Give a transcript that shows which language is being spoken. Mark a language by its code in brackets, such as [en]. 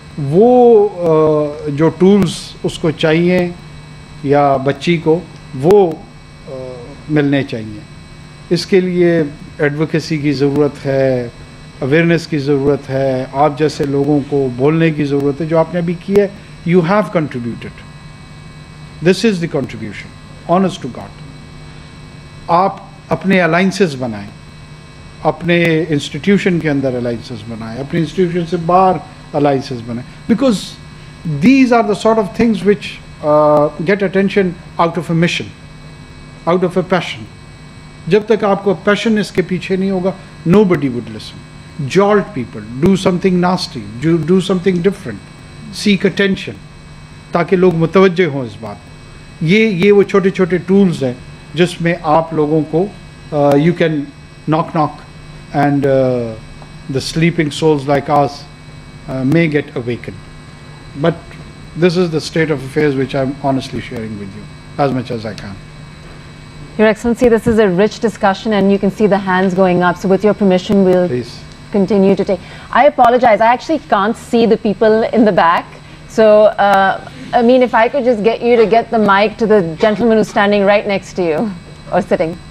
[ur] وہ جو ٹولز اس کو چاہیے یا بچی کو وہ ملنے چاہیے. اس کے لیے ایڈوکیسی کی ضرورت ہے, اویئرنیس کی ضرورت ہے, آپ جیسے لوگوں کو بولنے کی ضرورت ہے جو آپ نے ابھی کی ہے. [en] You have contributed, this is the contribution, honest to God. [ur] آپ اپنے الائنسز بنائیں, اپنے انسٹیٹیوشن کے اندر الائنسز بنائیں, اپنے انسٹیٹیوشن سے باہر الائنسز بنائیں, [en] Because these are the sort of things which get attention out of a mission, out of a passion. [ur] جب تک آپ کا پیشن اس کے پیچھے نہیں ہوگا, [en] Nobody would listen. Jolt people, do something nasty, do something different, seek attention [ur] تاکہ لوگ متوجہ ہوں اس بات. یہ وہ چھوٹے چھوٹے ٹولز ہیں جس میں آپ لوگوں کو [en] You can knock knock and the sleeping souls like us may get awaken. But this is the state of affairs which I am honestly sharing with you as much as I can. Your Excellency, this is a rich discussion and you can see the hands going up. So with your permission, we'll please continue to take. I apologize. I actually can't see the people in the back. So, if I could just get you to get the mic to the gentleman who's standing right next to you or sitting.